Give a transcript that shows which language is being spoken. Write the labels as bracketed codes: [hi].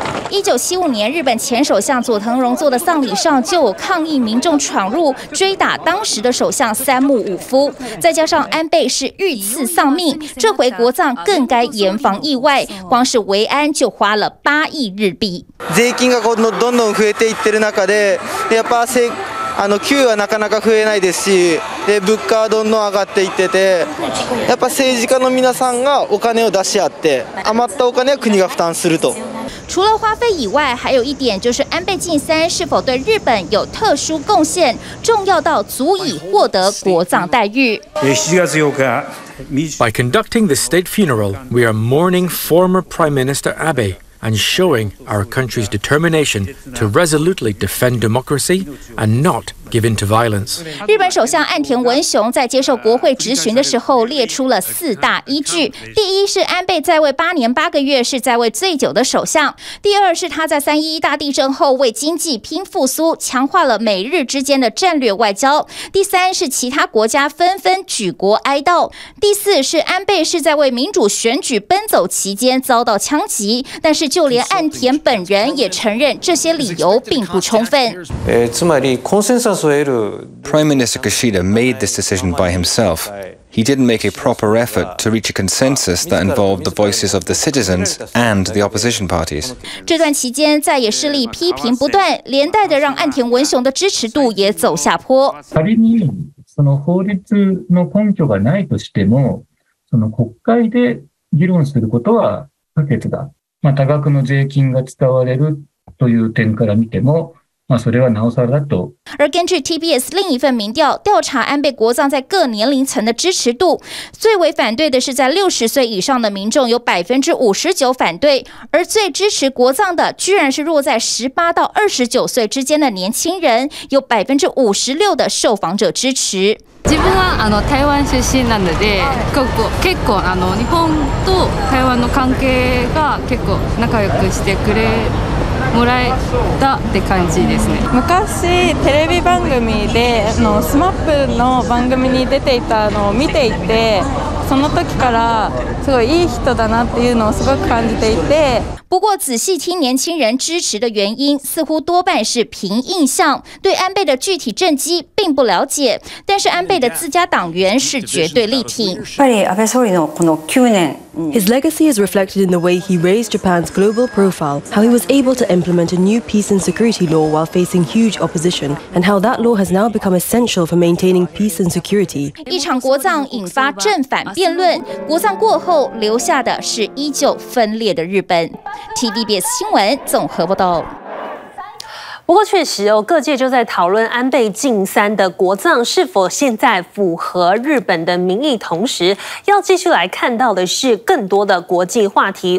[zh] 1975年，日本前首相佐藤荣作的丧礼上就有抗议民众闯入，追打当时的首相三木武夫。再加上安倍是遇刺丧命，这回国葬更该严防意外。光是维安就花了8亿日币。 [ja] 税金がどんどん増えていってる中で、やっぱ給はなかなか増えないですし、で物価はどんどん上がっていってて、やっぱ政治家の皆さんがお金を出し合って、余ったお金は国が負担すると。 [zh] 除了花费以外，还有一点就是安倍晋三是否对日本有特殊贡献，重要到足以获得国葬待遇。 [en] By conducting the state funeral, we are mourning former Prime Minister Abe and showing our country's determination to resolutely defend democracy and not give in to violence. [zh] 日本首相岸田文雄在接受国会质询的时候列出了四大依据。第一是安倍在位八年八个月是在位最久的首相。第二是他在三一一大地震后为经济拼复苏，强化了美日之间的战略外交。第三是其他国家纷纷举国哀悼。第四是安倍是在为民主选举奔走期间遭到枪击，但是就连岸田本人也承认这些理由并不充分。 [ja] つまりコンセンサスを得る。 [en] Prime Minister Kishida made this decision by himself. He didn't make a proper effort to reach a consensus that involved the voices of the citizens and the opposition parties. [zh] 这段期间，在野势力批评不断，连带的让岸田文雄的支持度也走下坡。 [ja] 仮にその法律の根拠がないとしても、その国会で議論することは不可欠だ。まあ多額の税金が使われるという点から見ても。 [zh] 而根据 TBS 另一份民调调查安倍国葬在各年龄层的支持度，最为反对的是在60岁以上的民众有 59% 反对，而最支持国葬的居然是落在18到29岁之间的年轻人，有 56% 的受访者支持。 [ja] 自分は台湾出身なので、結構日本と台湾の関係が結構仲良くしてくれもらえたって感じですね。昔テレビ番組でスマップの番組に出ていたのを見ていて、その時からすごいいい人だなっていうのをすごく感じていて。 [zh] 不过仔细听年轻人支持的原因，似乎多半是凭印象，对安倍的具体政绩并不了解。但是安倍的自家党员是绝对力挺。 [ja] やっぱり安倍総理のこの9年。 [en] His legacy is reflected in the way he raised Japan's global profile, how he was able to implement a new peace and security law while facing huge opposition, and how that law has now become essential for maintaining peace and security. [zh] 一场国葬引发正反辩论，国葬过后留下的是依旧分裂的日本。 TVBS 新闻综合报道。不过确实哦，各界就在讨论安倍晋三的国葬是否现在符合日本的民意，同时要继续来看到的是更多的国际话题。